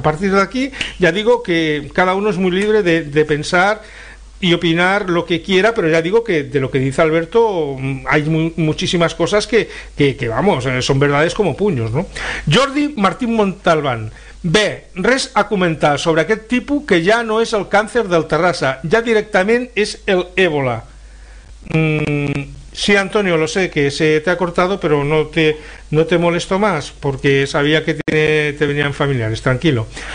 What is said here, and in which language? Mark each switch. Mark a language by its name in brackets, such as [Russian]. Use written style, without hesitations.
[Spanish] A partir de aquí ya digo que cada uno es muy libre de pensar y opinar lo que quiera, pero ya digo que de lo que dice Alberto hay muchísimas cosas que vamos, son verdades como puños, ¿no? [Catalan] Jordi Martín Montalbán: bé, res a comentar sobre aquest tipus, que ja no és el càncer del Terrassa, ja directament és el Ébola. [Spanish] Sí, Antonio, lo sé, que se te ha cortado, pero no te molesto más, porque sabía que te venían familiares, tranquilo.